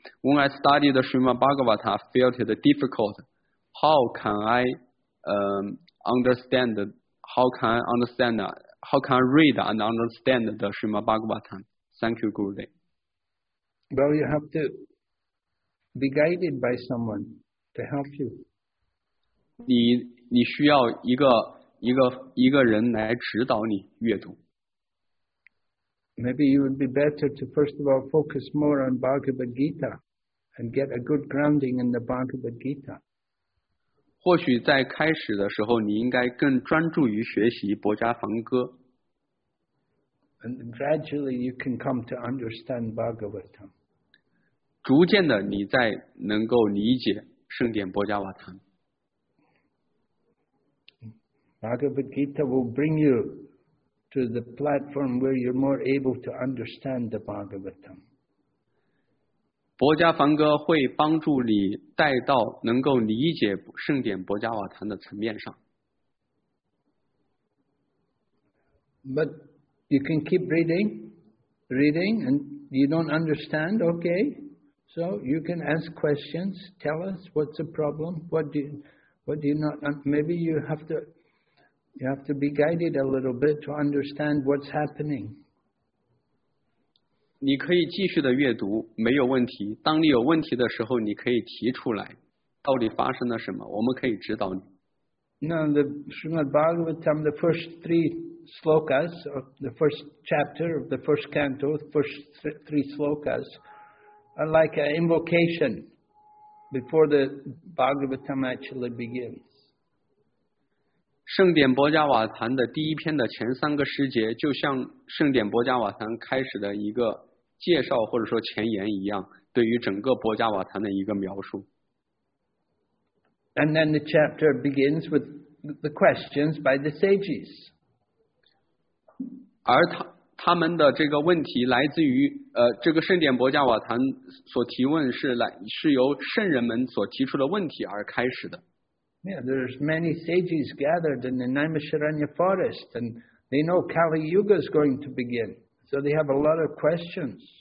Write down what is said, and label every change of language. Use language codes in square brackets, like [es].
[en] When I studied the Srimad Bhagavatam, I felt it difficult. How can I read and understand the Srimad Bhagavatam? Thank you, Gurudev. Well, you have to be guided by someone to help you. [zh] 你需要一个人来指导你阅读。 [en] Maybe you would be better to first of all focus more on Bhagavad Gita and get a good grounding in the Bhagavad Gita. [zh] 或许在开始的时候，你应该更专注于学习《博伽梵歌》。 [en] And gradually you can come to understand Bhagavatam. [zh] 逐渐的，你再能够理解圣典《博伽瓦坛》。 [en] Bhagavad Gita will bring you to the platform where you're more able to understand the Bhagavatam. [zh] 博伽梵歌会帮助你带到能够理解圣典博伽瓦坛的层面上。 [en] But you can keep reading, and you don't understand, okay? So you can ask questions. Tell us what's the problem. What do you not? Maybe you have to. You have to be guided a little bit to understand what's happening. [zh] 你可以继续的阅读，没有问题。当你有问题的时候，你可以提出来，到底发生了什么？我们可以指导你。 [en] Now the Srimad Bhagavatam, the first three slokas of the first chapter of the first canto, the first three slokas are like an invocation before the Bhagavatam actually begins. [zh] 圣典博伽瓦坛的第一篇的前三个诗节就像圣典博伽瓦坛开始的一个介绍或者说前言一样，对于整个博伽瓦坛的一个描述。 [en] And then the chapter begins with the questions by the sages. [zh] 而 他们的这个问题来自于这个圣典博伽瓦坛所提问是由圣人们所提出的问题而开始的。 [en] Yeah, there's many sages gathered in the Naimisharanya forest, and they know Kali Yuga is going to begin, so they have a lot of questions.